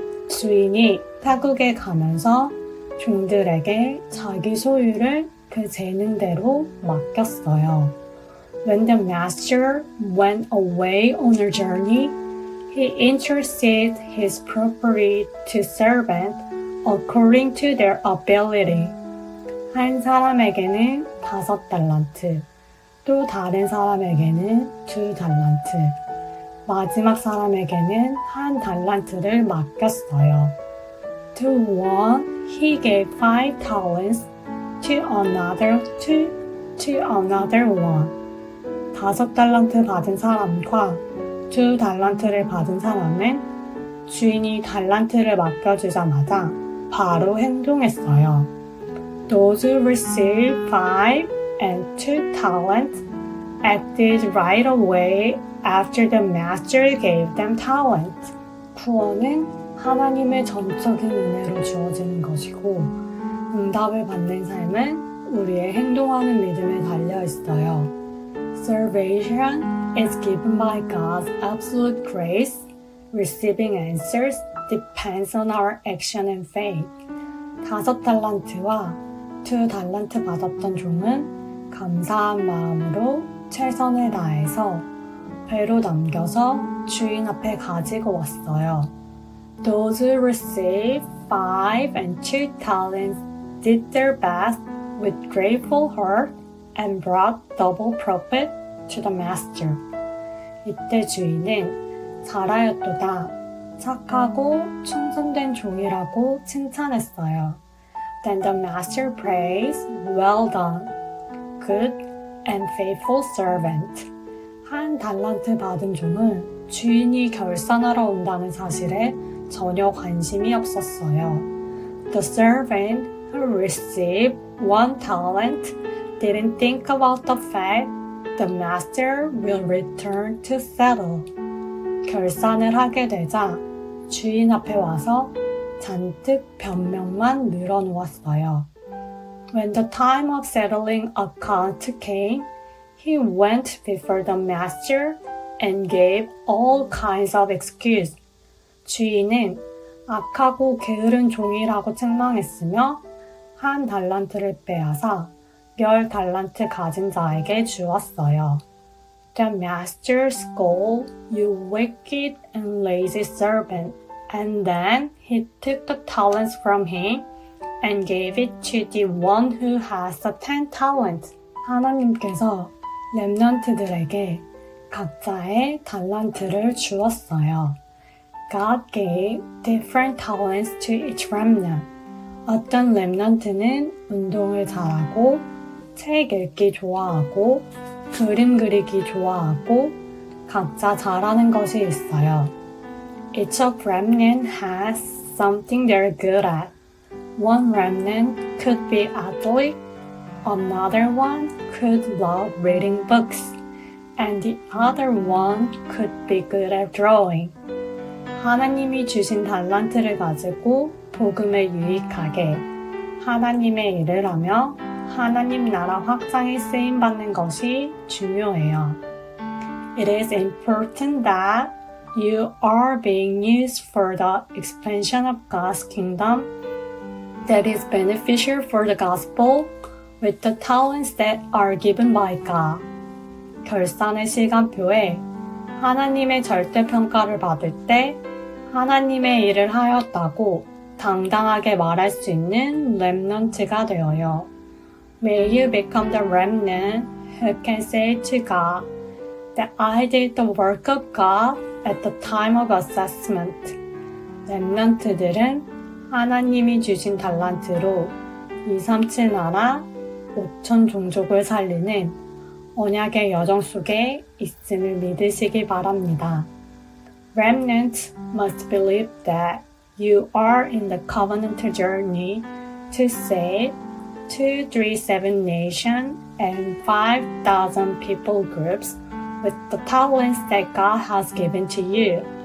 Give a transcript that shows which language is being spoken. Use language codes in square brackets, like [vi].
[ko] 주인이 타국에 가면서 종들에게 자기 소유를 그 재능대로 맡겼어요. [en] When the master went away on a journey, he entrusted his property to servants according to their ability. [ko] 한 사람에게는 다섯 달란트, 또 다른 사람에게는 두 달란트, 마지막 사람에게는 한 달란트를 맡겼어요. [en] To one, he gave five talents, to another two, to another one. [ko] 다섯 달란트 받은 사람과 두 달란트를 받은 사람은 주인이 달란트를 맡겨주자마자 바로 행동했어요. [en] Those who received five and two talents acted right away after the master gave them talents. [ko] 구원은 하나님의 전적인 은혜로 주어지는 것이고 응답을 받는 삶은 우리의 행동하는 믿음에 달려있어요. [en] Salvation is given by God's absolute grace. Receiving answers depends on our action and faith. [ko] 다섯 달란트와 두 달란트 받았던 종은 감사한 마음으로 최선을 다해서 배로 남겨서 주인 앞에 가지고 왔어요. [en] Those who received five and two talents did their best with grateful heart and brought double profit to the master. [ko] 이때 주인은 잘하였도다 착하고 충성된 종이라고 칭찬했어요. [en] Then the master praised, well done, good and faithful servant. [ko] 한 달란트 받은 종은 주인이 결산하러 온다는 사실에 전혀 관심이 없었어요. [en] The servant who received one talent didn't think about the fact the master will return to settle. [ko] 결산을 하게 되자 주인 앞에 와서 잔뜩 변명만 늘어놓았어요. [en] When the time of settling account came, he went before the master and gave all kinds of excuse. [ko] 주인은 악하고 게으른 종이라고 책망했으며 한 달란트를 빼앗아 열 달란트 가진 자에게 주었어요. [en] The master scolded you wicked and lazy servant. And then he took the talents from him and gave it to the one who has the 10 talents. [ko] 하나님께서 렘넌트들에게 각자의 달란트를 주었어요. [en] God gave different talents to each remnant. [ko] 어떤 렘넌트는 운동을 잘하고 책 읽기 좋아하고 그림 그리기 좋아하고 각자 잘하는 것이 있어요. [en] Each of remnant has something they're good at. One remnant could be athletic, another one could love reading books, and the other one could be good at drawing. [ko] 하나님이 주신 달란트를 가지고 복음에 유익하게 하나님의 일을 하며 하나님 나라 확장에 쓰임받는 것이 중요해요. [en] It is important that you are being used for the expansion of God's kingdom that is beneficial for the gospel with the talents that are given by God. [ko] 결산의 시간표에 하나님의 절대평가를 받을 때 하나님의 일을 하였다고 당당하게 말할 수 있는 렘넌트가 되어요. [en] May you become the remnant who can say to God that I did the work of God at the time of assessment. [ko] 렘넌트들은 하나님이 주신 달란트로 237 나라 5천 종족을 살리는 언약의 여정 속에 있음을 믿으시기 바랍니다. [en] Remnant must believe that you are in the covenant journey to save 237 nations and 5,000 people groups with the talents that God has given to you.